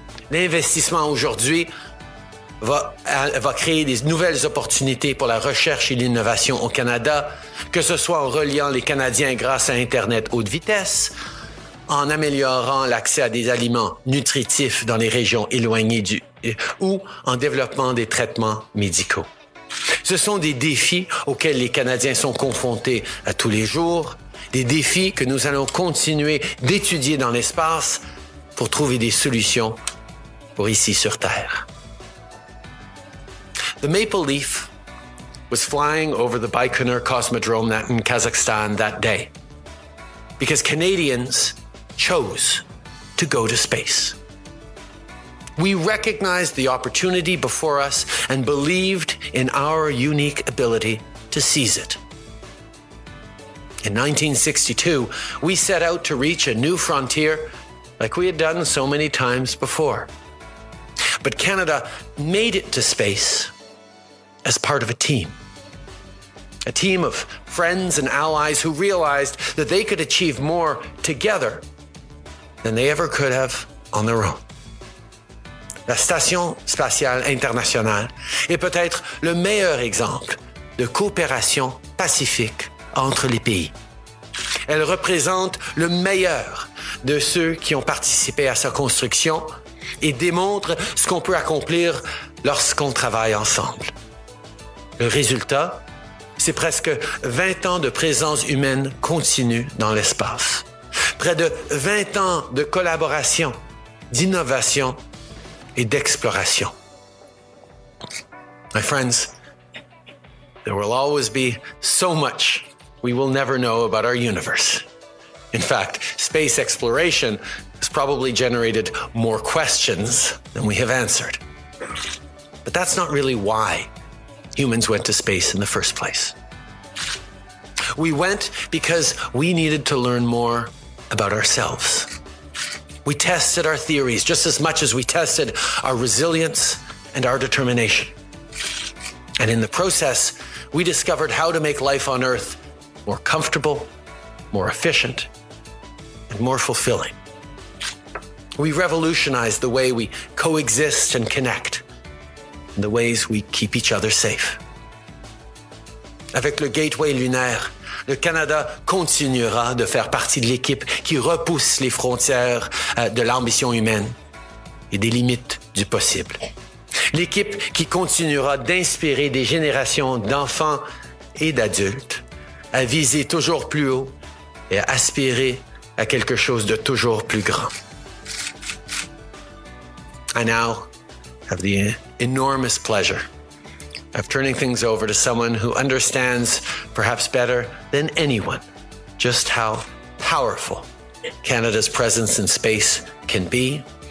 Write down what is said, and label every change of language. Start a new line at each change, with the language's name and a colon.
French: L'investissement aujourd'hui va créer des nouvelles opportunités pour la recherche et l'innovation au Canada, que ce soit en reliant les Canadiens grâce à Internet haute vitesse, en améliorant l'accès à des aliments nutritifs dans les régions éloignées ou en développant des traitements médicaux. Ce sont des défis auxquels les Canadiens sont confrontés à tous les jours, des défis que nous allons continuer d'étudier dans l'espace pour trouver des solutions pour ici sur Terre.
English: The Maple Leaf was flying over the Baikonur Cosmodrome in Kazakhstan that day because Canadians chose to go to space. We recognized the opportunity before us and believed in our unique ability to seize it. In 1962, we set out to reach a new frontier like we had done so many times before. But Canada made it to space as part of a team. A team of friends and allies who realized that they could achieve more together than they ever could have on their own.
French: La Station spatiale internationale est peut-être le meilleur exemple de coopération pacifique entre les pays. Elle représente le meilleur de ceux qui ont participé à sa construction et démontre ce qu'on peut accomplir lorsqu'on travaille ensemble. Le résultat, c'est presque 20 ans de présence humaine continue dans l'espace. Près de 20 ans de collaboration, d'innovation et d'exploration.
English: My friends, there will always be so much we will never know about our universe. In fact, space exploration has probably generated more questions than we have answered. But that's not really why humans went to space in the first place. We went because we needed to learn more about ourselves. We tested our theories just as much as we tested our resilience and our determination. And in the process, we discovered how to make life on Earth more comfortable, more efficient, and more fulfilling. We revolutionized the way we coexist and connect, and the ways we keep each other safe.
French: Avec le Gateway Lunaire, le Canada continuera de faire partie de l'équipe qui repousse les frontières de l'ambition humaine et des limites du possible. L'équipe qui continuera d'inspirer des générations d'enfants et d'adultes à viser toujours plus haut et à aspirer à quelque chose de toujours plus grand.
English: I now have the enormous pleasure of turning things over to someone who understands, perhaps better than anyone, just how powerful Canada's presence in space can be.